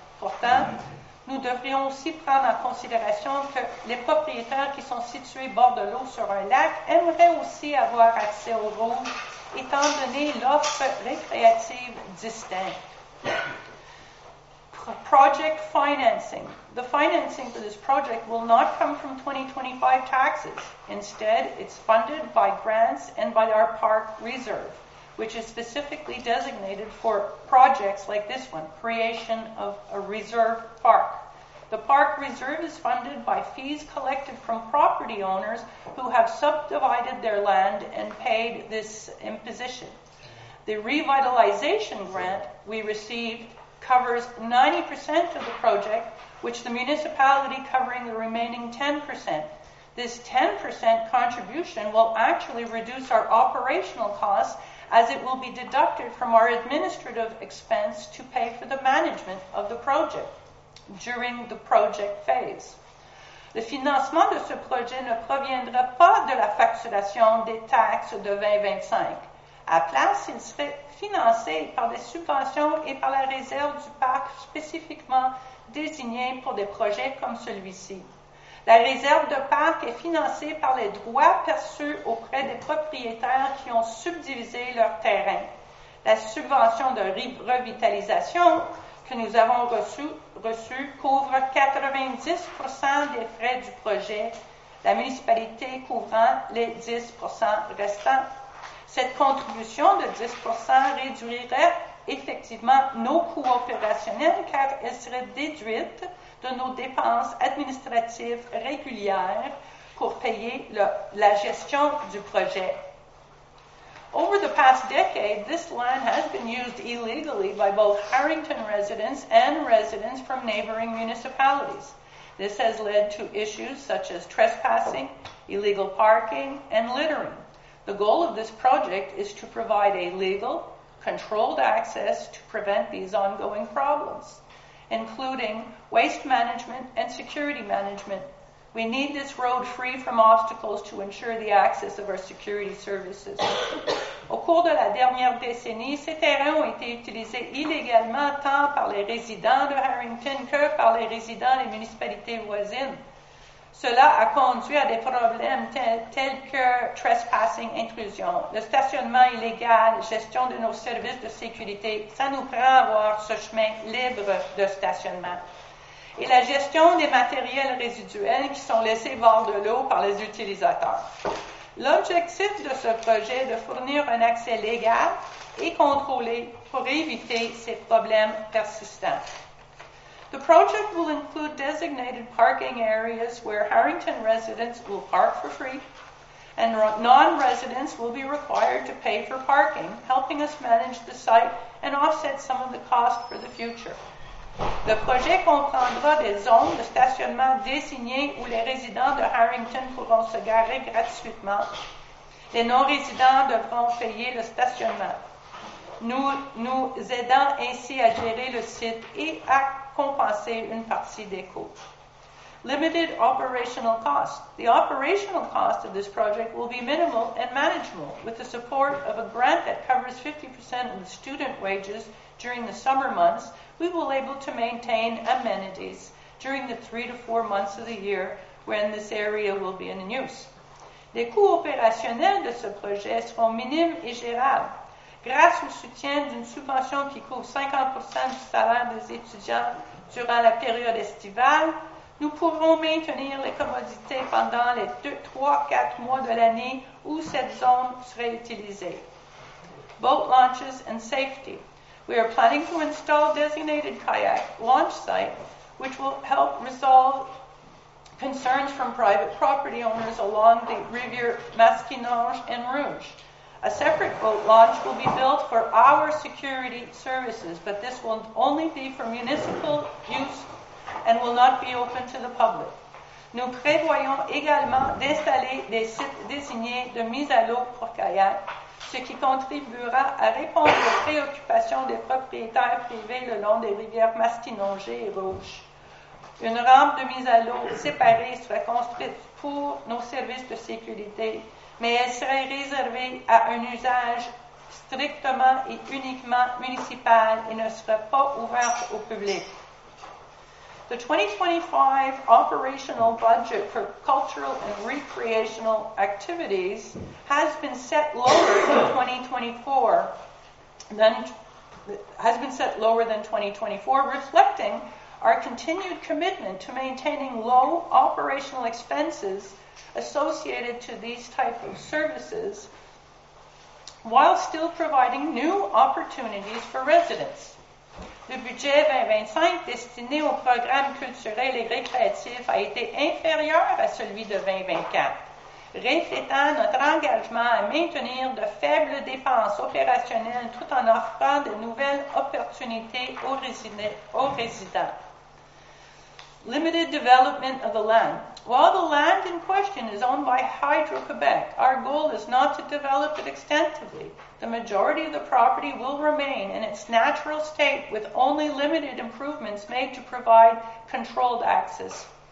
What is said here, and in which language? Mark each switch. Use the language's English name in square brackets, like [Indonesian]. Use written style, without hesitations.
[French] Pourtant, nous devrions aussi prendre en considération que les propriétaires qui sont situés bord de l'eau sur un lac aimeraient aussi avoir accès au Rouge, étant donné l'offre récréative distincte. [English] Project financing. The financing for this project will not come from 2025 taxes. Instead, it's funded by grants and by our park reserve, which is specifically designated for projects like this one, creation of a reserve park. The park reserve is funded by fees collected from property owners who have subdivided their land and paid this imposition. The revitalization grant we received covers 90% of the project, which the municipality covering the remaining 10%. This 10% contribution will actually reduce our operational costs as it will be deducted from our administrative expense to pay for the management of the project during the project phase. [French] Le financement de ce projet ne proviendra pas de la facturation des taxes de 2025. À place, il serait financé par des subventions et par la réserve du parc spécifiquement désignée pour des projets comme celui-ci. La réserve de parc est financée par les droits perçus auprès des propriétaires qui ont subdivisé leur terrain. La subvention de revitalisation que nous avons reçue couvre 90% des frais du projet, la municipalité couvrant les 10% restants. Cette contribution de 10% réduirait effectivement nos coûts opérationnels car elle serait déduite de nos dépenses administratives régulières pour payer la gestion du projet. [English] Over the past decade, this land has been used illegally by both Harrington residents and residents from neighboring municipalities. This has led to issues such as trespassing, illegal parking, and littering. The goal of this project is to provide a legal, controlled access to prevent these ongoing problems, including waste management and security management. We need this road free from obstacles to ensure the access of our security services. [French] Au cours de la dernière décennie, ces terrains ont été utilisés illégalement tant par les résidents de Harrington que par les résidents des municipalités voisines. Cela a conduit à des problèmes tels que trespassing, intrusion, le stationnement illégal, gestion de nos services de sécurité. Ça nous prend à avoir ce chemin libre de stationnement. Et la gestion des matériels résiduels qui sont laissés bord de l'eau par les utilisateurs. L'objectif de ce projet est de fournir un accès légal et contrôlé pour éviter ces problèmes persistants. [English] The project will include designated parking areas where Harrington residents will park for free and non-residents will be required to pay for parking, helping us manage the site and offset some of the cost for the future. [French] Le projet comprendra des zones de stationnement désignées où les résidents de Harrington pourront se garer gratuitement. Les non-résidents devront payer le stationnement, nous aidant ainsi à gérer le site et à compenser une partie des coûts. [English] Limited operational cost. The operational cost of this project will be minimal and manageable with the support of a grant that covers 50% of the student wages during the summer months. We will be able to maintain amenities during the 3 to 4 months of the year when this area will be in use. [French] Les coûts opérationnels de ce projet seront minimes et gérables. Grâce au soutien d'une subvention qui couvre 50% du salaire des étudiants durant la période estivale, nous pourrons maintenir les commodités pendant les 2-3-4 mois de l'année où cette zone serait utilisée. [English] Boat launches and safety. We are planning to install designated kayak launch site, which will help resolve concerns from private property owners along the river Masquinange and Rouge. A separate boat launch will be built for our security services, but this will only be for municipal use and will not be open to the public. [French] Nous prévoyons également d'installer des sites désignés de mise à l'eau pour kayak, ce qui contribuera à répondre aux préoccupations des propriétaires privés le long des rivières Mastinongé et Rouge. Une rampe de mise à l'eau séparée sera construite pour nos services de sécurité, mais elle serait réservée à un usage strictement et uniquement municipal et ne sera pas ouverte au public. [English] The 2025 operational budget for cultural and recreational activities has been set lower than 2024, reflecting our continued commitment to maintaining low operational expenses associated to these types of services, while still providing new opportunities for residents. [French] Le budget 2025 destiné aux programmes culturels et récréatifs a été inférieur à celui de 2024, reflétant notre engagement à maintenir de faibles dépenses opérationnelles tout en offrant de nouvelles opportunités aux résidents. [English] Limited development of the land. While the land in question is owned by Hydro-Québec, our goal is not to develop it extensively. The majority of the property will remain in its natural state with only limited improvements made to provide controlled access.